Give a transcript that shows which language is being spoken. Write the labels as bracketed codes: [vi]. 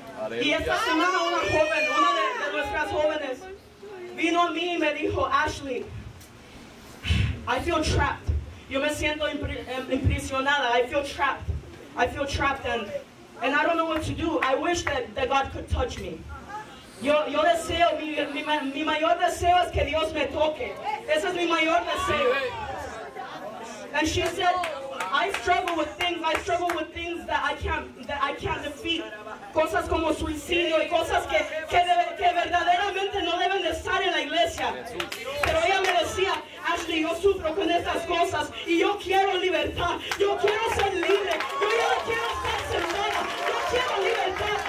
[es] Y esta semana una joven, una de nuestras jóvenes, vino a mí y me dijo, Ashley, [en] I feel trapped. [es] Yo me siento impresionada. [en] I feel trapped. I feel trapped and I don't know what to do. I wish that God could touch me. [es] Yo deseo, mi mayor deseo es que Dios me toque. Ese es mi mayor deseo. [en] And she said, I struggle with things that I can't defeat. [es] Cosas como suicidio y cosas que verdaderamente no deben de estar en la iglesia. Pero ella me decía, Ashley, yo sufro con estas cosas y yo quiero libertad. Yo quiero ser libre. Yo ya no quiero estar sentada. Yo quiero libertad.